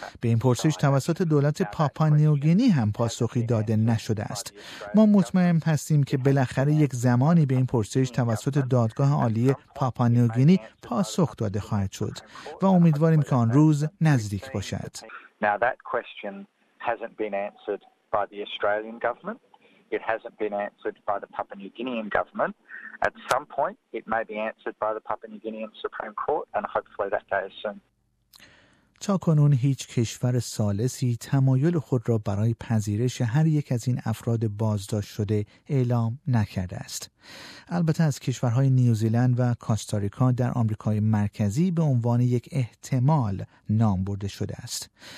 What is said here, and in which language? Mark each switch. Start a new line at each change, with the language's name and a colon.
Persian: به این پرسش توسط دولت پاپوا نیوگینی هم پاسخی داده نشده است. ما مطمئن هستیم که بالاخره یک زمانی به این پرسش توسط دادگاه عالی پاپوا نیوگینی پاسخ داده خواهد شد و امیدواریم که آن روز نزدیک باشد.
English: Now that question hasn't been answered by the Australian government. It hasn't been answered by the Papua New Guinean government. At some point it may be answered by the Papua New Guinean Supreme Court and hopefully that day is soon.
Persian: تا کنون هیچ کشور ثالثی تمایل خود را برای پذیرش هر یک از این افراد بازداشت شده اعلام نکرده است. البته از کشورهای نیوزیلند و کاستاریکا در آمریکای مرکزی به عنوان یک احتمال نام برده شده است.